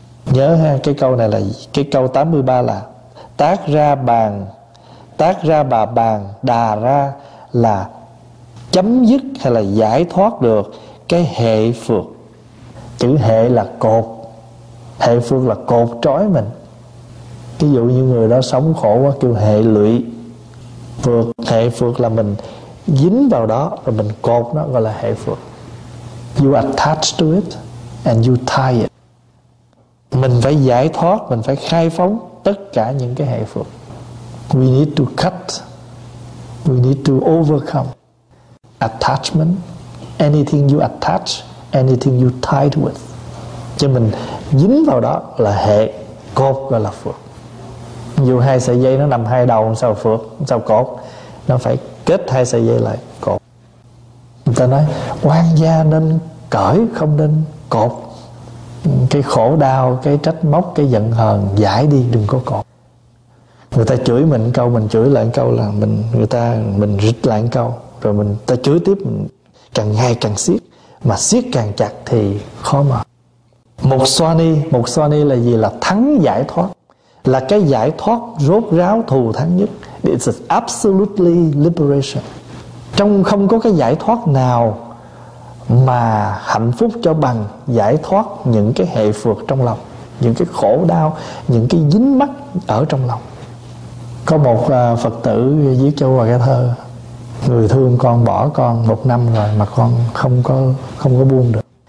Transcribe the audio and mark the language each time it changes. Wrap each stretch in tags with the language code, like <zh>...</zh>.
<vi>Nhớ ha, cái câu này là cái câu 83 là tác ra bà bàn đà ra là chấm dứt hay là giải thoát được cái hệ phược. Chữ hệ là cột, hệ phược là cột trói mình. Ví dụ như người đó sống khổ quá kêu hệ lụy. Phược, hệ phược là mình dính vào đó rồi mình cột nó, gọi là hệ phược.</vi> <en>You attach to it and you tie it.</en> <vi>Mình phải giải thoát, mình phải khai phóng tất cả những cái hệ phược.</vi> <en>We need to cut, we need to overcome attachment. Anything you attach, anything you tied with,</en> <vi>cho mình dính vào đó là hệ, cột gọi là phược. Dù hai sợi dây nó nằm hai đầu sao phược, sao cột, nó phải kết hai sợi dây lại cột. Người ta nói oan gia nên cởi không nên cột. Cái khổ đau, cái trách móc, cái giận hờn giải đi, đừng có cột. Người ta chửi mình câu, mình chửi lại câu là mình, người ta, mình rít lại câu, rồi mình ta chửi tiếp, càng ngày càng siết, mà siết càng chặt thì khó mà. Một xoa ni là gì? Là thắng giải thoát, là cái giải thoát rốt ráo thù thắng nhất.</vi> <en>It's absolutely liberation.</en> <vi>Trong không có cái giải thoát nào mà hạnh phúc cho bằng giải thoát những cái hệ phược trong lòng, những cái khổ đau, những cái dính mắc ở trong lòng. Có một Phật tử viết cho Hòa Cái Thơ: người thương con bỏ con một năm rồi mà con không có buông được.</vi>